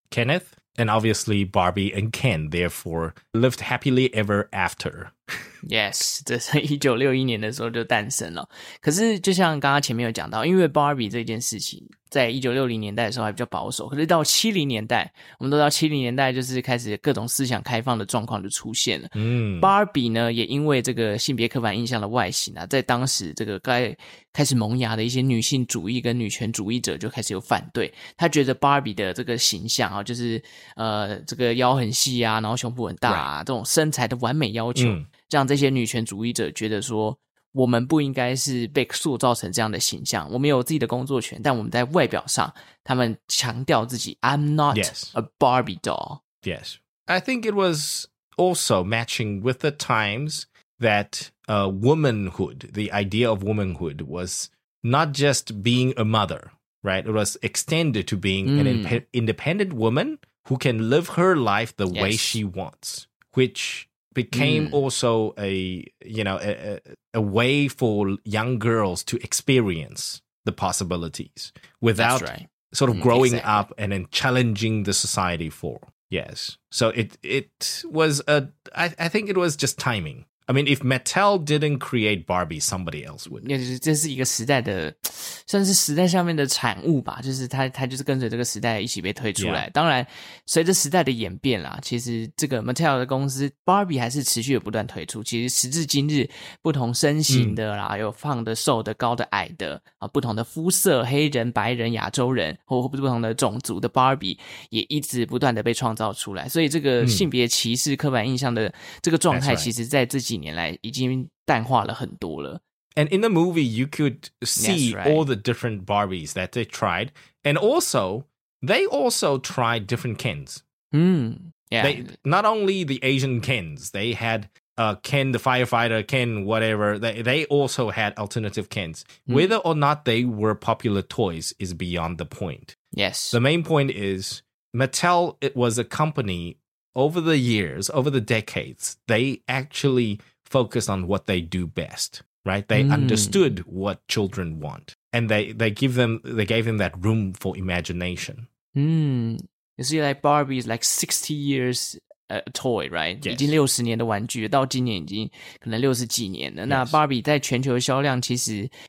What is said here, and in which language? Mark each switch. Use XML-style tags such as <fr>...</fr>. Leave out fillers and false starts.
<en>Kenneth, and obviously Barbie and Ken therefore lived happily ever after.</en> <zh>Yes, 这是1961年的时候就诞生了。可是就像刚刚前面有讲到，因为 Barbie 这件事情在1960年代的时候还比较保守，可是到70年代，我们都知道70年代就是开始各种思想开放的状况就出现了。 Barbie 呢也因为这个性别刻板印象的外形啊，在当时这个该开始萌芽的一些女性主义跟女权主义者就开始有反对，他觉得 Barbie 的这个形象啊，就是这个腰很细啊，然后胸部很大啊、</zh> <en>right.</en> <zh>这种身材的完美要求、让这些女权主义者觉得说我们不应该是被塑造成这样的形象，我们有自己的工作权，但我们在外表上他们强调自己</zh> <en>I'm not yes. a Barbie doll. Yes. I think it was also matching with the times that womanhood, the idea of womanhood was not just being a mother, right? It was extended to being an independent woman who can live her life the way she wants, whichbecame also a, you know, a way for young girls to experience the possibilities without sort of growing up and then challenging the society for. Yes. So it was I think it was just timing. I mean, if Mattel didn't create Barbie, somebody else would.</en> <zh>这是一个时代的，算是时代下面的产物吧，就是它就是跟着这个时代一起被推出来。</zh> <en>Yeah.</en> <zh>当然随着时代的演变啦，其实这个 Mattel 的公司 Barbie 还是持续的不断推出，其实时至今日不同身形的啦、有胖的瘦的高的矮的、不同的肤色，黑人白人亚洲人或不同的种族的 Barbie 也一直不断的被创造出来，所以这个性别歧视刻板印象的这个状态其实在这几年来已经淡化了很多了。</zh> <en>And in the movie, you could see all the different Barbies that they tried. And also, they also tried different Kens. Not only the Asian Kens, they had Ken the firefighter, Ken whatever. They also had alternative Kens. Whether or not they were popular toys is beyond the point. Yes. The main point is Mattel, it was a company over the years, over the decades, they actually focused on what they do best. Right, they understood what children want, and they gave them that room for imagination. You see, like Barbie is like 60 years a toy, right? Yes.</en> <zh>已经60年的玩具，到今年已经可能60几年了。那 Barbie 在全球的销量其实</zh>